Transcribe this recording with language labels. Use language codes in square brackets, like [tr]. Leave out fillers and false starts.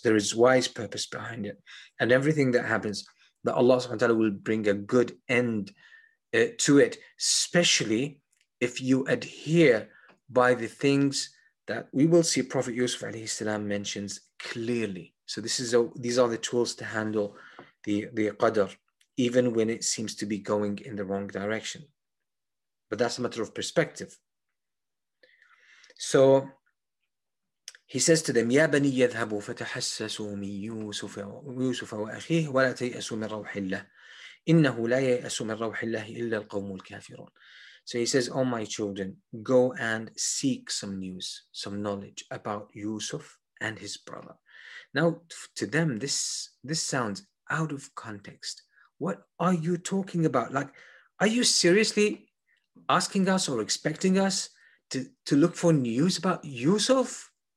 [en] There is wise purpose behind it. And everything that happens, that Allah subhanahu wa ta'ala will bring a good end to it, especially if you adhere by the things that we will see Prophet Yusuf alayhi salam mentions clearly. So these are the tools to handle the qadr, even when it seems to be going in the wrong direction. But that's a matter of perspective. So he says to them, [ar] يَا بَنِي يَذْهَبُوا فَتَحَسَّسُوا مِنْ يُوسُفَ وَأَخِيهِ وَلَا تَيْأَسُوا مِنْ رَوْحِ اللَّهِ إِنَّهُ لَا يَيْأَسُوا مِنْ رَوْحِ اللَّهِ إِلَّا الْقَوْمُ الْكَافِرُونَ. [en] So he says, oh my children, go and seek some news, some knowledge about Yusuf and his brother. Now to them, this sounds out of context. What are you talking about? Like, are you seriously asking us or expecting us to look for news about Yusuf?